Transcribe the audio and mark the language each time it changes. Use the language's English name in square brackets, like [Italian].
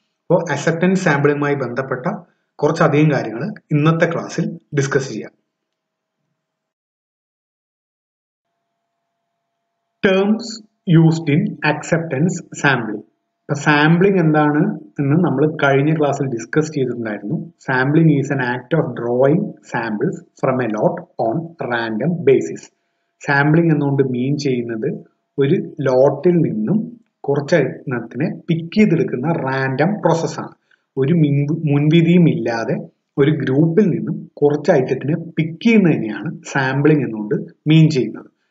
[Malayalam] അപ്പോൾ അസെപ്റ്റൻസ് സാമ്പിളിംഗുമായി ബന്ധപ്പെട്ട കുറച്ചധികം കാര്യങ്ങൾ ഇന്നത്തെ ക്ലാസ്സിൽ ഡിസ്കസ് ചെയ്യാം. [English] Terms used in acceptance sampling. [Malayalam] Sampling എന്താണ് എന്ന് നമ്മൾ കഴിഞ്ഞ ക്ലാസ്സിൽ ഡിസ്കസ് ചെയ്തിട്ടുണ്ടായിരുന്നു. [English] Sampling is an act of drawing samples from a lot on random basis. [Malayalam] Sampling എന്നുകൊണ്ട് മീൻ ചെയ്യുന്നത് ഒരു ലോട്ടിൽ നിന്നും കുറച്ചെണ്ണത്തിനെ പിക്ക് ചെയ്തെടുക്കുന്ന റാൻഡം പ്രോസസ്സാണ്. ഒരു മുൻവിധിയും ഇല്ലാതെ ഒരു ഗ്രൂപ്പിൽ നിന്നും കുറച്ച് ഐറ്റത്തിനെ പിക്ക് ചെയ്യുന്നതിനെയാണ് സാമ്പിളിംഗ് എന്നുകൊണ്ട് മീൻ ചെയ്യുന്നത്.